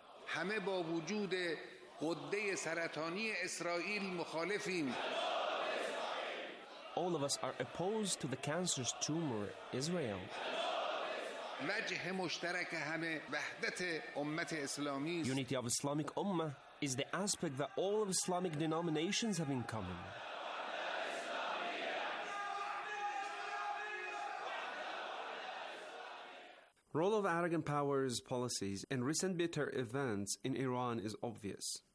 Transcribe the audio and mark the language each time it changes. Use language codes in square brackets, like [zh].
[fa] همه با وجود قده سرطانی اسرائیل مخالفیم. [en] All of us are opposed to the cancerous tumor Israel. [fa] وجه مشترک همه وحدت امت اسلامی. [en] Unity of Islamic Ummah is the aspect that all of Islamic denominations have in common. Role of Erdogan power's policies in recent bitter events in Iran is obvious.